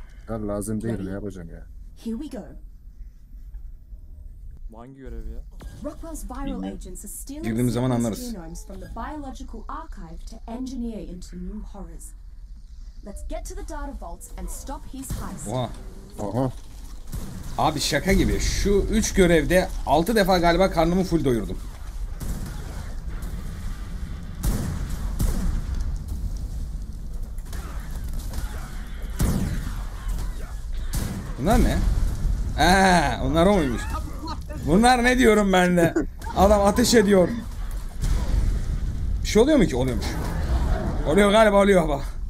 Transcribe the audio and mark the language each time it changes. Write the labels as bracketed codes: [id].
[tr] Ya lazım değil, ne yapacaksın ya? [en] Here we go. [tr] Hangi görevi ya? [en] Rockwell's viral agents are stealing genomes [tr] zaman anlarız. [en] From the biological archive to engineer into new horrors. Let's get to the data vaults and stop his heist. [tr] Oha. Oha. Abi şaka gibi. Şu 3 görevde 6 defa galiba karnımı full doyurdum. Bunlar ne? Onlar o muymuş? Bunlar ne diyorum ben de? Adam ateş ediyor. Bir şey oluyor mu ki? Oluyormuş. Oluyor galiba, oluyor bak.